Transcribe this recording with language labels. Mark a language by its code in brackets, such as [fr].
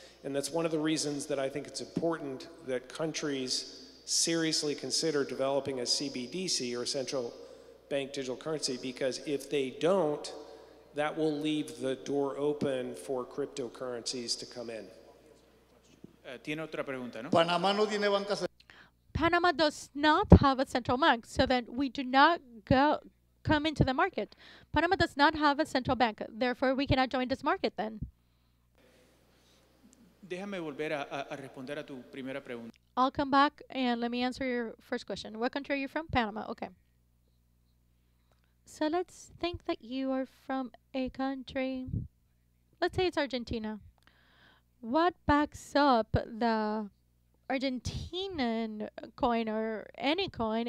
[en] And that's one of the reasons that I think it's important that countries seriously consider developing a CBDC, or central bank digital currency, because if they don't, that will leave the door open for cryptocurrencies to come in. [es] Tiene otra pregunta, ¿no? Panamá no tiene banca. [en] Panama does not have a central bank, so then we do not come into the market. Panama does not have a central bank, therefore we cannot join this market then. [es] Déjame volver a responder a tu primera pregunta. [en] I'll come back and let me answer your first question. What country are you from? Panama. Okay. So let's think that you are from a country, let's say it's Argentina. What backs up the Argentinian coin or any coin?